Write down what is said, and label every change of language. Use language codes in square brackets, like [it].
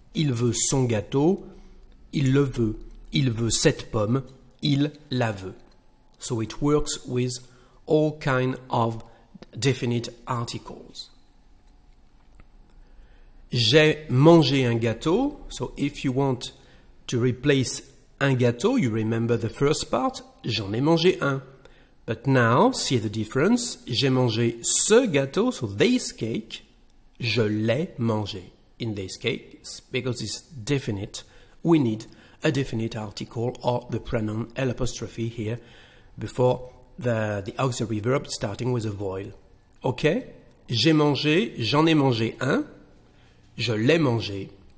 [fr] Il veut son gâteau, il le veut. Il veut cette pomme, il la veut. [en] So it works with all kinds of definite articles. [fr] J'ai mangé un gâteau. [en] So if you want to replace [fr] un gâteau, [en] you remember the first part, [fr] j'en ai mangé un. [en] But now, see the difference, [fr] j'ai mangé ce gâteau, [en] so this cake, [fr] je l'ai mangé. [en] In this case, because it's definite, we need a definite article or the pronoun L apostrophe here before the auxiliary verb starting with a voile. Okay? [fr] J'ai mangé, j'en ai mangé un, je l'ai mangé.